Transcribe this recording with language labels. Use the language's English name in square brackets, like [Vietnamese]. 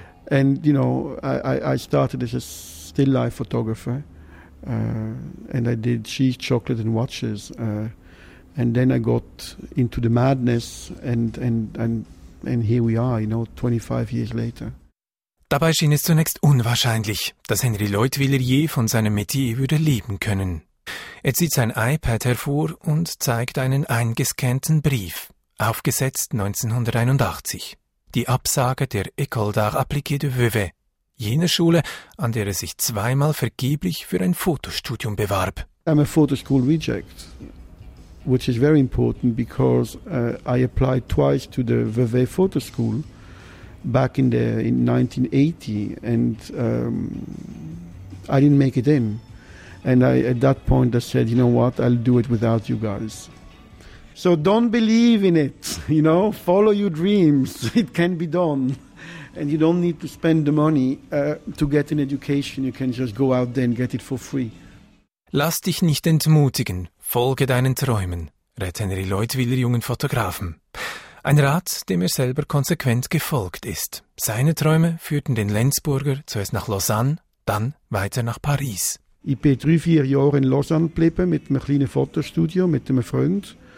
[English] I started as a still life photographer. And I did cheese, chocolate and watches. And then I got into the madness and And here we are, you know, 25 years later. [German] Dabei schien es zunächst unwahrscheinlich, dass Henry Leutwiler je von seinem Metier würde leben können. Er zieht sein iPad hervor und zeigt einen eingescannten Brief, aufgesetzt 1981. Die Absage der École d'Art Appliqué de Vevey, jener Schule, an der er sich zweimal vergeblich für ein Fotostudium bewarb. [English] I'm a photo school reject, which is very important because I applied twice to the Vevey photo school back in 1980 and I didn't make it in. And I, at that point I said, you know what, I'll do it without you guys. So don't believe in it, you know, follow your dreams, it can be done. And you don't need to spend the money to get an education, you can just go out there and get it for free. [German] Lass dich nicht entmutigen, folge deinen Träumen, rät Henry Leutwiler jungen Fotografen. Ein Rat, dem er selber konsequent gefolgt ist. Seine Träume führten den Lenzburger zuerst nach Lausanne, dann weiter nach Paris. Ich bin 3-4 Jahre in Lausanne geblieben mit einem kleinen Fotostudio, mit einem Freund.